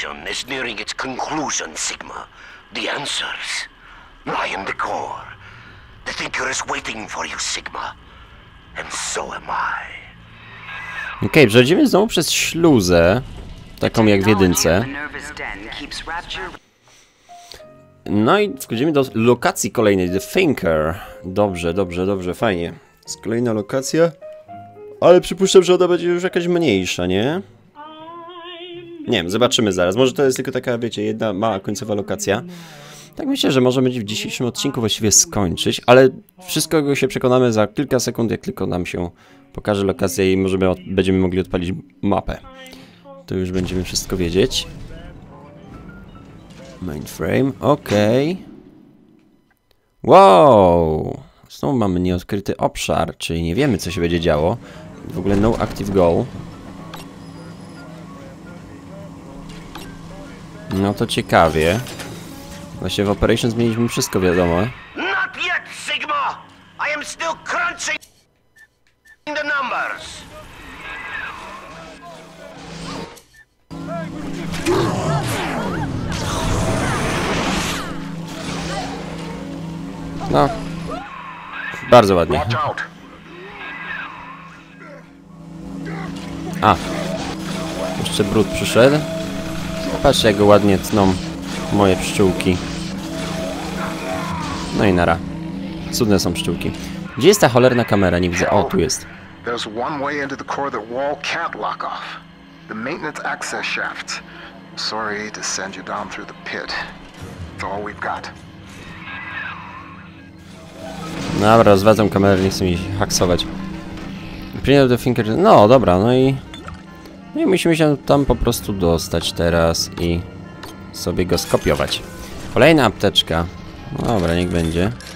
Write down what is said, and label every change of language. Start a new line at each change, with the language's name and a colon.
English: Is nearing its conclusion, Sigma. The answers lie in the core. The thinker is waiting for you, Sigma. And so am I.
Polish: Okay, przechodzimy znowu przez śluzę, taką jak w jedynce. No i wchodzimy do lokacji kolejnej, The Thinker. Dobrze, dobrze, dobrze, fajnie. Jest kolejna lokacja. Ale przypuszczam, że ona będzie już jakaś mniejsza, nie? Nie wiem, zobaczymy zaraz. Może to jest tylko taka, wiecie, jedna mała końcowa lokacja. Tak myślę, że możemy w dzisiejszym odcinku właściwie skończyć, ale wszystkiego się przekonamy za kilka sekund, jak tylko nam się pokaże lokacja i możemy będziemy mogli odpalić mapę. To już będziemy wszystko wiedzieć. Mainframe, okej. Wow! Znowu mamy nieodkryty obszar, czyli nie wiemy, co się będzie działo. W ogóle
English: no active goal.
Polish: No to ciekawie. Właśnie w Operations mieliśmy wszystko wiadomo.
English: Not yet, Sigma! I am still crunching the numbers.
Polish: No. Bardzo ładnie. A. Jeszcze brud przyszedł. Patrzcie, jak ładnie tną moje pszczółki. No i nara. Cudne są pszczółki. Gdzie jest ta cholerna kamera? Nie widzę. O, tu jest.
English: There's one way into the core that wall can't lock off. The maintenance access shaft. Sorry to send you down through the pit. It's all we've got.
Polish: Dobra, rozwadzam kamerę, nie chcę mi haksować. Przyjdę do Thinker. No, dobra, no i... No i musimy się tam po prostu dostać teraz i sobie go skopiować. Kolejna apteczka. Dobra, niech będzie.